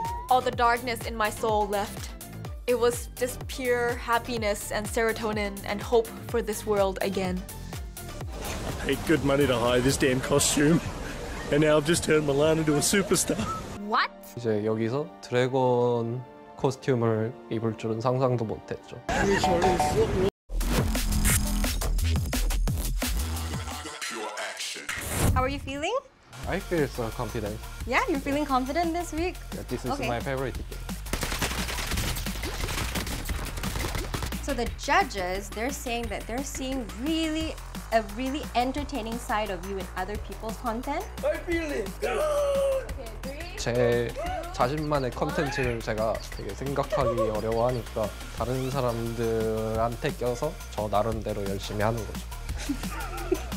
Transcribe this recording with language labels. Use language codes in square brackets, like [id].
[en] All the darkness in my soul left. It was just pure happiness and serotonin and hope for this world again. I paid good money to hire this damn costume, and now I've just turned Milan into a superstar. What? [ko] 이제 여기서 드래곤 코스튬을 입을 줄은 상상도 못했죠. [en] How are you feeling? I feel so confident. Yeah, you're feeling confident this week? Yeah, this is okay. my favorite game. So the judges, they're saying that they're seeing really, a really entertaining side of you in other people's content. I feel it! Okay, three. [ko] 제 자신만의 콘텐츠를 제가 되게 생각하기 어려워하니까 다른 사람들한테 껴서 저 나름대로 열심히 하는 거죠.